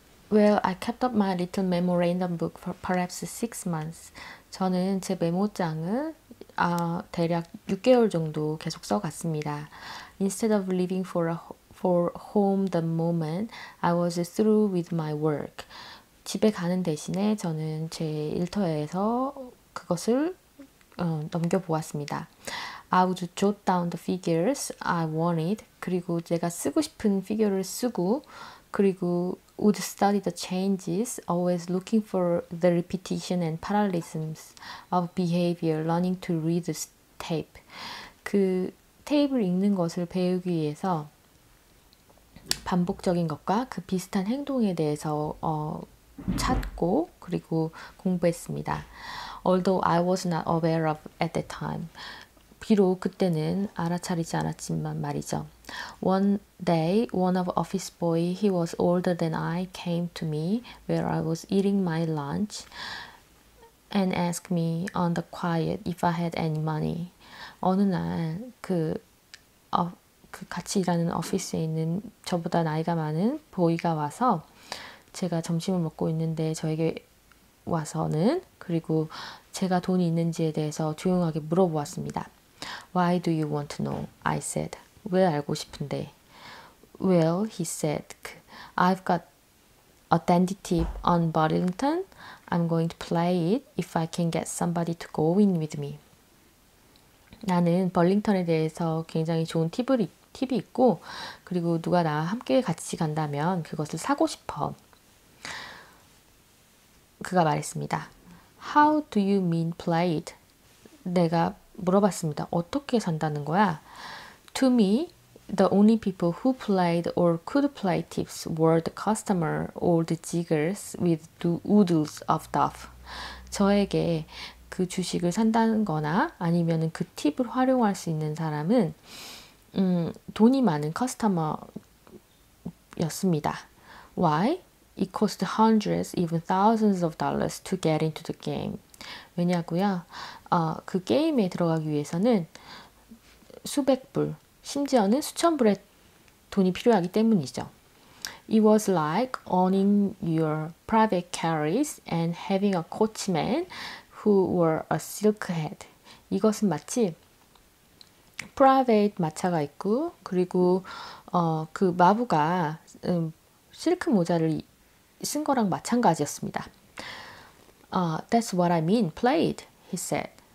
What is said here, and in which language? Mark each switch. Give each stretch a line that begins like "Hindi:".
English: 'Well, I kept up my little memorandum book for perhaps 6 months.'
Korean: 저는 제 메모장을 대략 6개월 정도 계속 써갔습니다.
English: Instead of living for home the moment I was through with my work.
Korean: 집에 가는 대신에 저는 제 일터에서 그것을 넘겨보았습니다.
English: I would jot down the figures I wanted.
Korean: 그리고 제가 쓰고 싶은 figure를 쓰고, 그리고
English: would study the changes, always looking for the repetition and parallelisms of behavior, learning to read the tape.
Korean: 그 테이프를 읽는 것을 배우기 위해서 반복적인 것과 그 비슷한 행동에 대해서 찾고 그리고 공부했습니다.
English: Although I was not aware of at that time.
Korean: 비록 그때는 알아차리지 않았지만 말이죠.
English: One day, one of office boy, he was older than I, came to me where I was eating my lunch and asked me on the quiet if I had any money.
Korean: 어느 날그 같이 일하는 오피스에 있는 저보다 나이가 많은 보이가 와서 제가 점심을 먹고 있는데 저에게 와서는 그리고 제가 돈이 있는지에 대해서 조용하게 물어보았습니다.
English: Why do you want to know? I said.
Korean: 왜 알고 싶은데?
English: Well, he said, I've got a dandy tip on Burlington. I'm going to play it if I can get somebody to go in with me.
Korean: 나는 버링턴에 대해서 굉장히 좋은 팁을 팁이 있고, 그리고 누가 나와 함께 같이 간다면 그것을 사고 싶어. 그가 말했습니다.
English: How do you mean play it?
Korean: 내가 물어봤습니다. 어떻게 산다는 거야?
English: To me, the only people who played or could play tips were the customer or the jiggers with oodles of dough.
Korean: 저에게 그 주식을 산다는 거나 아니면 그 팁을 활용할 수 있는 사람은 돈이 많은 커스터머였습니다.
English: Why? It cost hundreds, even thousands of dollars to get into the game.
Korean: 왜냐고요? 그 게임에 들어가기 위해서는 수백 불, 심지어는 수천 불의 돈이 필요하기 때문이죠.
English: It was like owning your private carriage and having a coachman who wore a silk hat.
Korean: 이것은 마치 private 마차가 있고, 그리고 그 마부가 실크 모자를 쓴 거랑 마찬가지였습니다.
English: That's what I mean, played, he said.